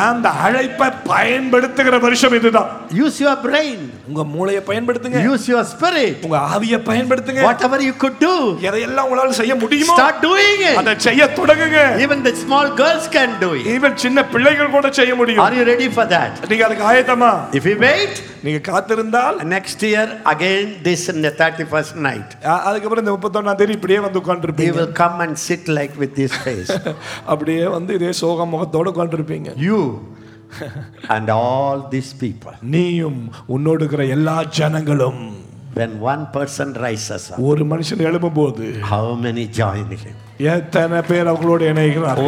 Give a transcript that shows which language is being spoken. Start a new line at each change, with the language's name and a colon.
Tamil: அந்த அழைப்பை பயன்படுத்துகிற வருஷம் இதுதான்.
English: Use your brain.
Tamil: உங்க மூளைய பயன்படுத்துங்க.
English: Use your spirit.
Tamil: உங்க ஆவிய பயன்படுத்துங்க.
English: Whatever you could do.
Tamil: எதையெல்லாம் உங்களால செய்ய முடியுமோ,
English: start doing it.
Tamil: அதை செய்ய தொடங்குங்க.
English: Even the small girls can do it.
Tamil: Even சின்ன பிள்ளைகள் கூட செய்ய முடியும்.
English: Are you ready for that?
Tamil: நீங்க அதுக்கு ஆயத்தமா?
English: If you wait,
Tamil: நீங்க காத்திருந்தால்,
English: next year again this in the 31st night.
Tamil: அதுக்கு அப்புறம் இந்த 31st தேதி இப்படியே வந்து உட்கார்ந்திருப்பீங்க.
English: They will come and sit like with this face.
Tamil: அப்படியே வந்து இதே சோக முகத்தோட உட்கார்ந்திருப்பீங்க.
English: You and all these people.
Tamil: நீயும் உன்னோடு இருக்கிற எல்லா ஜனங்களும்.
English: When one person rises up,
Tamil: ஒரு மனுஷன் எழும்பும்போது,
English: how many join him?
Tamil: எத்தனை பேர் அவங்களோடு இணைகிறார்?